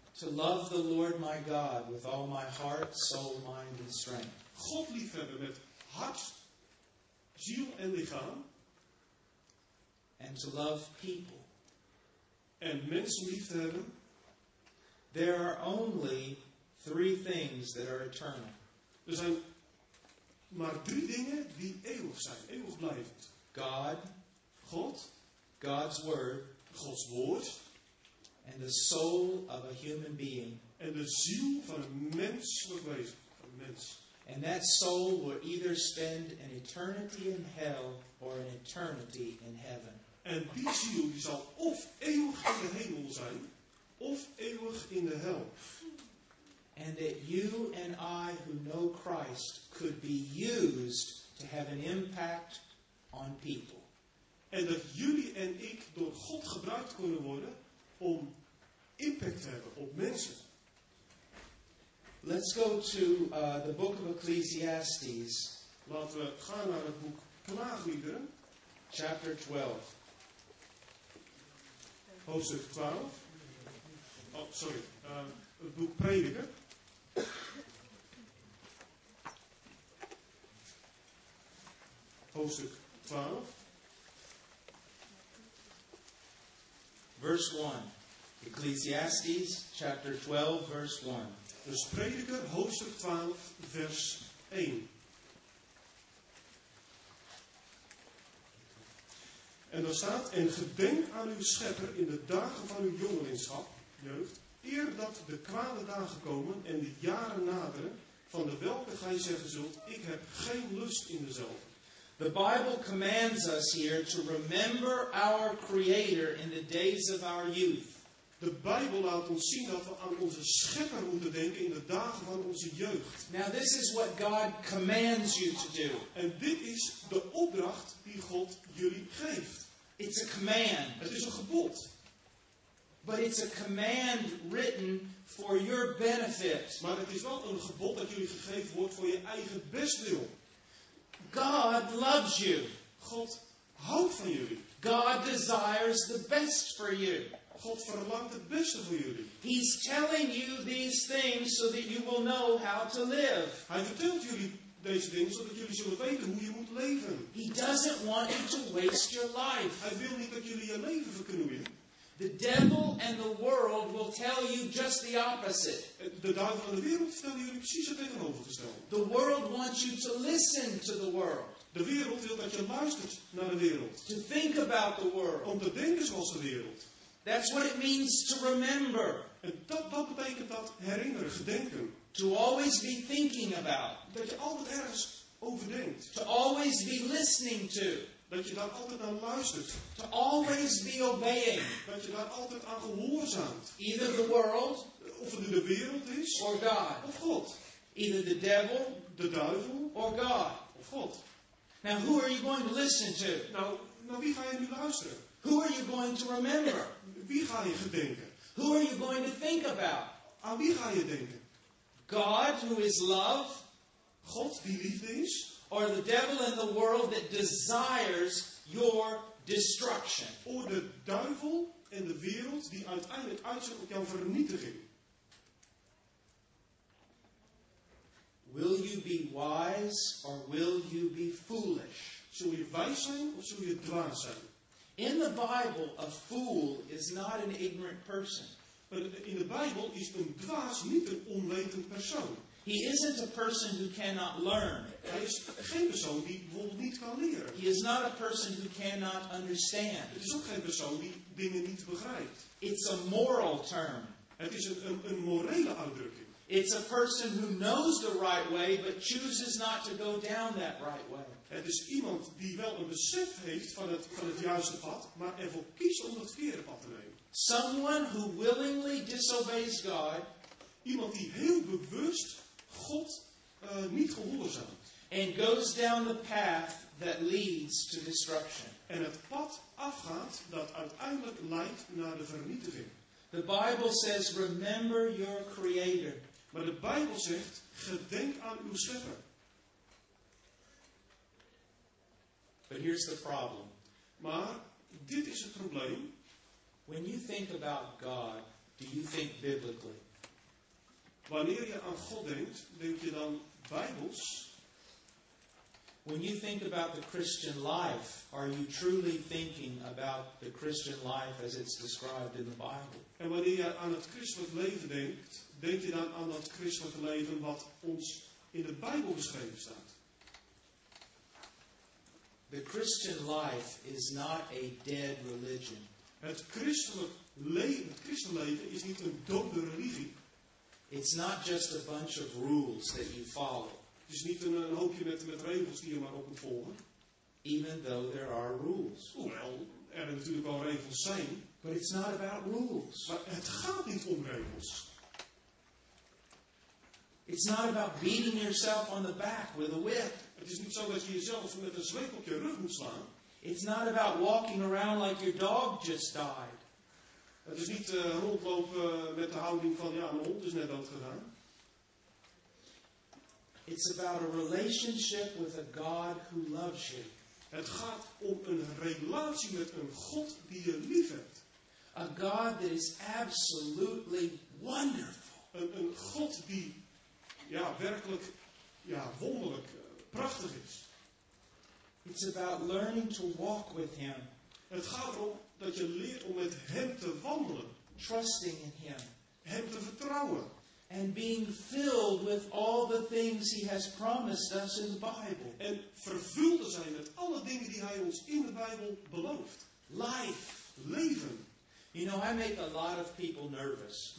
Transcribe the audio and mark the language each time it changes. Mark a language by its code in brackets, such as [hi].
[en] To love the Lord my God with all my heart, soul, mind and strength. [nl] God lief hebben met hart, ziel en lichaam. [en] And to love people. [nl] En mensen lief te hebben. [en] There are only three things that are eternal. [nl] Er zijn maar drie dingen die eeuwig zijn, eeuwig blijvend. [en] God. [nl] God. [en] God's word. [nl] Gods woord. [en] And the soul of a human being. [nl] En de ziel van een menselijk wezen. Van een mens. [en] And that soul will either spend an eternity in hell or an eternity in heaven. [nl] En die ziel die zal of eeuwig in de hemel zijn, of eeuwig in de hel. [en] And that you and I who know Christ could be used to have an impact on people. [nl] En dat jullie en ik door God gebruikt kunnen worden om impact te hebben op mensen. [en] Let's go to the book of Ecclesiastes. [nl] Laten we gaan naar het boek Klaagliederen. [en] Chapter 12. [nl] Hoofdstuk 12. Oh, sorry. Het boek Prediker. Hoofdstuk 12. [en] Verse 1. Ecclesiastes chapter 12 verse 1. [nl] Dus Prediker hoofdstuk 12 vers 1. En daar staat: en gedenk aan uw schepper in de dagen van uw jongelingschap, jeugd, eer dat de kwade dagen komen en de jaren naderen, van de welke gij zeggen zult: ik heb geen lust in dezelfde. [en] The Bible commands us here to remember our Creator in the days of our youth. [nl] De Bijbel laat ons zien dat we aan onze Schepper moeten denken in de dagen van onze jeugd. [en] Now this is what God commands you to do. [nl] En dit is de opdracht die God jullie geeft. [en] It's a command. [nl] Het is een gebod. [en] But it's a command written for your benefit. [nl] Maar het is wel een gebod dat jullie gegeven wordt voor je eigen bestwil. [en] God loves you. [nl] God houdt van jullie. [en] God desires the best for you. [nl] God verlangt het beste voor jullie. [en] He's telling you these things so that you will know how to live. [nl] Hij vertelt jullie deze dingen zodat jullie zullen weten hoe je moet leven. [en] He doesn't want you to waste your life. [nl] Hij wil niet dat jullie je leven verknoeien. [en] The devil and the world will tell you just the opposite. [nl] De duivel en de wereld vertellen jullie precies het tegenovergestelde. [en] The world wants you to listen to the world. [nl] De wereld wil dat je luistert naar de wereld. [en] To think about the world. [nl] Om te denken zoals de wereld. [en] That's what it means to remember. [nl] En dat betekent dat herinneren, gedenken. [en] To always be thinking about. [nl] Dat je altijd ergens over denkt. [en] To always be listening to. [nl] Dat je daar altijd aan luistert. [en] To always be obeying. [nl] Dat je daar altijd aan gehoorzaamt. [en] Either the world. [nl] Of het nu de wereld is. [en] Or God. [nl] Of God. [en] Either the devil. [nl] De duivel. [en] Or God. [nl] Of God. [en] Now who are you going to listen to? [nl] Nou wie ga je nu luisteren? [en] Who are you going to remember? [nl] Wie ga je gedenken? [en] Who are you going to think about? [nl] Aan wie ga je denken? [en] God who is love. [nl] God die liefde is. [en] Or the devil in the world that desires your destruction. [nl] Of de duivel en de wereld die uiteindelijk uitzicht op jouw vernietiging. [en] Will you be wise or will you be foolish? [nl] Zul je wijs zijn of zul je dwaas zijn? [en] In the Bible, a fool is not an ignorant person. [nl] In de Bijbel is een dwaas niet een onwetend persoon. [en] He isn't a person who cannot learn. [nl] Hij is geen persoon die bijvoorbeeld niet kan leren. [en] He is not a person who cannot understand. [nl] Het is ook geen persoon die dingen niet begrijpt. [en] It's a moral term. [nl] Het is een morele uitdrukking. [en] It's a person who knows the right way, but chooses not to go down that right way. [nl] Het is iemand die wel een besef heeft van het juiste pad, maar ervoor kiest om het verkeerde pad te nemen. [en] Someone who willingly disobeys God. [nl] Iemand die heel bewust God niet gehoorzaamt. [en] And goes down the path that leads to destruction. [nl] En het pad afgaat dat uiteindelijk leidt naar de vernietiging. [en] The Bible says, remember your creator. [nl] Maar de Bijbel zegt, gedenk aan uw schepper. [en] But here's the problem. [nl] Maar dit is het probleem. [en] When you think about God, do you think biblically? [nl] Wanneer je aan God denkt, denk je dan bijbels? [en] When you think about the Christian life, are you truly thinking about the Christian life as it's described in the Bible? [nl] En wanneer je aan het christelijk leven denkt, denk je dan aan dat christelijke leven wat ons in de Bijbel beschreven staat? [en] The Christian life is not a dead religion. [nl] Het christelijke leven is niet een dode religie. [en] It's not just a bunch of rules that you follow. [nl] Het is niet een hoopje met regels die je maar op moet volgen. [en] Even though there are rules. [nl] Hoewel er natuurlijk wel regels zijn. [en] But it's not about rules. [nl] Maar het gaat niet om regels. [en] It's not about beating yourself on the back with a whip. [nl] Het is niet zo dat je jezelf met een zweep op je rug moet slaan. [en] It's not about walking around like your dog just died. [nl] Het is niet rondlopen met de houding van ja, mijn hond is net dood gegaan. [en] It's about a relationship with a God who loves you. [nl] Het gaat om een relatie met een God die je lief hebt. [en] A God that is absolutely wonderful. [nl] Een God die ja, werkelijk ja, wonderlijk, prachtig is. [en] It's about learning to walk with him. [nl] Het gaat erom dat je leert om met hem te wandelen. [en] Trusting in him. [nl] Hem te vertrouwen. [en] And being filled with all the things he has promised us in the Bible. [nl] En vervuld te zijn met alle dingen die hij ons in de Bijbel belooft. [en] Life. [nl] Leven. [en] You know, I make a lot of people nervous.